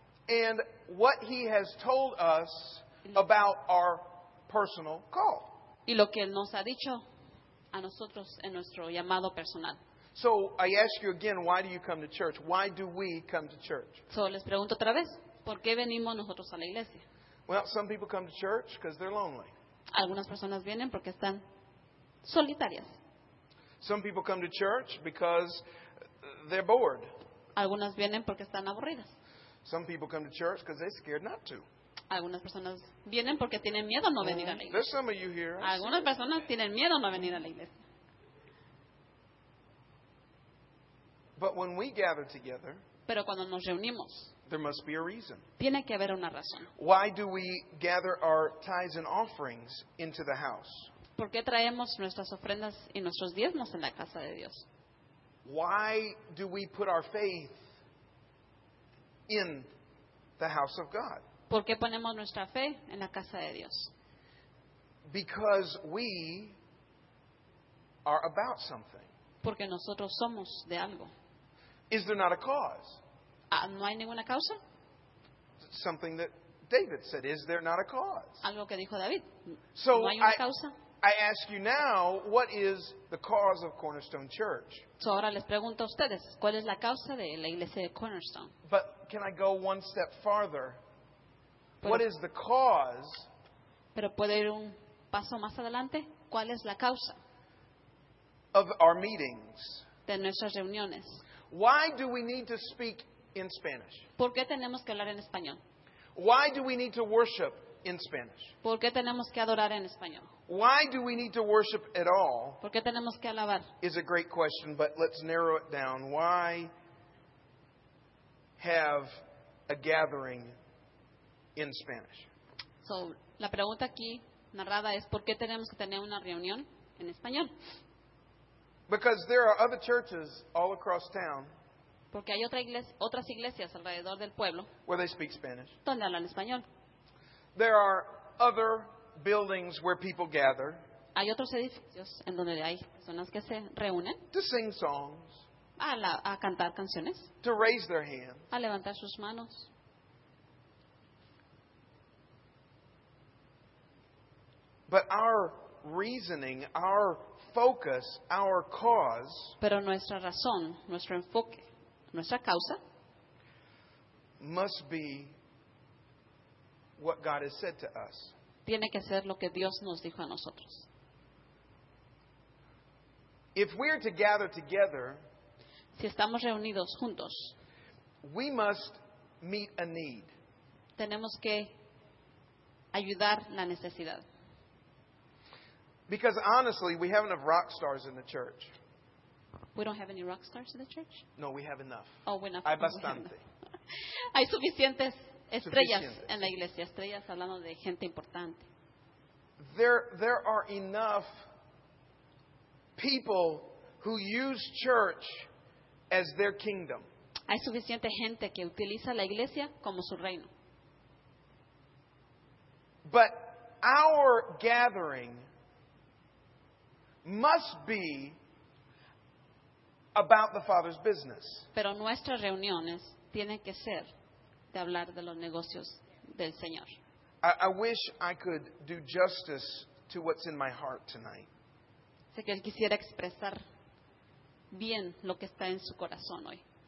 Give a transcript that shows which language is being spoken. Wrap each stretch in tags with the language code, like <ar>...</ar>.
<en>And what He has told us about our personal call.</en> <es>Y lo que nos ha dicho a nosotros en nuestro llamado personal.</es> <en>So I ask you again, why do you come to church? Why do we come to church?</en> <es>So les pregunto otra vez, ¿por qué venimos nosotros a la iglesia?</es> <en>Well, some people come to church because they're lonely.</en> <es>Algunas personas vienen porque están solitarias.</es> <en>Some people come to church because they're bored.</en> <es>Algunas vienen porque están aburridas.</es> <en>Some people come to church because they're scared not to.</en> <es>Algunas personas vienen porque tienen miedo no venir a la iglesia.</es> <en>There's some of you here.</en> <es>Algunas personas tienen miedo no venir a la iglesia.</es> <en>But when we gather together,</en> <es>pero cuando nos reunimos,</es> <en>there must be a reason.</en> <es>Tiene que haber una razón.</es> <en>Why do we gather our tithes and offerings into the house?</en> <es>¿Por qué traemos nuestras ofrendas y nuestros diezmos en la casa de Dios?</es> <en>Why do we put our faith in the house of God?</en> <es>¿Por qué ponemos nuestra fe en la casa de Dios?</es> <en>Because we are about something.</en> <es>Porque nosotros somos de algo.</es> <en>Is there not a cause?</en> <es>¿No hay ninguna causa?</es> <en>Something that David said, is there not a cause?</en> <es>Algo que dijo David.</es> <en>So</en> <es>¿no hay una causa?</es> <en>I ask you now, what is the cause of Cornerstone Church?</en> <es>So ahora les pregunto a ustedes, ¿cuál es la causa de la iglesia de Cornerstone?</es> <en>But can I go one step farther? What is the cause?</en> <es>Pero puedo ir un paso más adelante, ¿cuál es la causa?</es> <en>Of our meetings.</en> <es>De nuestras reuniones.</es> <en>Why do we need to speak in Spanish?</en> <es>¿Por qué tenemos que hablar en español?</es> <en>Why do we need to worship in Spanish?</en> <es>¿Por qué tenemos que adorar en español?</es> <en>Why do we need to worship at all?</en> <es>¿Por qué tenemos que alabar?</es> <en>Is a great question, but let's narrow it down. Why have a gathering in Spanish?</en> <es>So, la pregunta aquí narrada es ¿por qué tenemos que tener una reunión en español?</es> <en>Because there are other churches all across town.</en> <es>Porque hay otras iglesias alrededor del pueblo.</es> <en>Where they speak Spanish.</en> <es>Donde hablan español.</es> <en>There are other buildings where people gather.</en> <es>Hay otros edificios en donde hay personas que se reúnen.</es> <en>To sing songs.</en> <es>A cantar canciones.</es> <en>To raise their hands.</en> <es>A levantar sus manos.</es> <en>But our reasoning, our focus, our cause.</en> <es>Pero nuestra razón, nuestro enfoque, nuestra causa.</es> <en>Must be what God has said to us.</en> <es>Tiene que ser lo que Dios nos dijo a nosotros.</es> <en>If we are to gather together,</en> <es>si estamos reunidos juntos,</es> <en>we must meet a need.</en> <es>Tenemos que ayudar la necesidad.</es> <en>Because honestly, we have enough rock stars in the church. We don't have any rock stars in the church? No, we have enough. Oh, we're not.</en> <es>Hay bastante. Hay suficientes estrellas en la iglesia. Estrellas hablando de gente importante.</es> <en>There are enough people who use church as their kingdom.</en> <es>Hay suficiente gente que utiliza la iglesia como su reino.</es> <en>But our gathering must be about the Father's business.</en> <es>Pero nuestras reuniones tienen que ser de hablar de los negocios del Señor.</es> <en>I wish I could do justice to what's in my heart tonight.</en> <es>Sé que él quisiera expresar bien lo que está en su corazón hoy.</es>